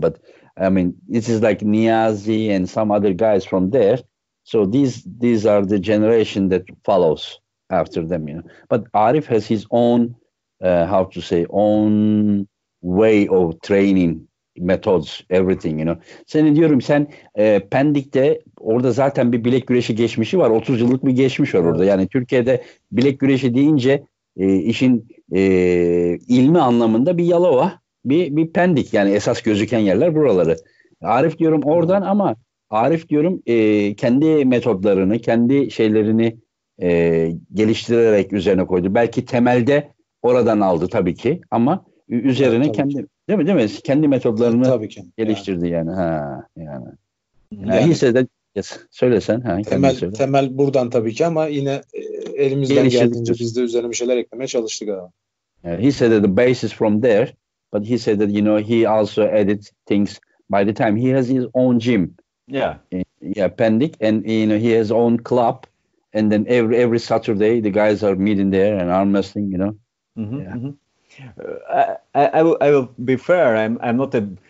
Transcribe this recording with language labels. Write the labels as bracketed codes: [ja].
[en] But I mean, this is like Niyazi and some other guys from there. So these are the generation that follows after them, you know. But Arif has his own, own way of training. Methods, everything, you know. [tr] Seni diyorum, sen Pendik'te orada zaten bir bilek güreşi geçmişi var. 30 yıllık bir geçmiş var orada. Yani Türkiye'de bilek güreşi deyince işin ilmi anlamında bir Yalova, bir Pendik. Yani esas gözüken yerler buraları. Arif diyorum oradan, ama Arif diyorum kendi metodlarını, kendi şeylerini geliştirerek üzerine koydu. Belki temelde oradan aldı tabii ki, ama üzerine tabii kendi... Ki. Değil mi? Kendi metodlarını geliştirdi yani. Yani. Yani. [en] Yes, [tr] söylesen. Temel buradan tabii ki, ama yine elimizden geldiğince biz de üzerine bir şeyler eklemeye çalıştık. [en] He said that the base is from there, but he said that, you know, he also added things by the time. He has his own gym. Yeah. Yeah, Pendik, and you know, he has own club, and then every Saturday the guys are meeting there and arm wrestling, you know. Mm-hmm. Yeah. Mm-hmm. I will be fair. I'm not a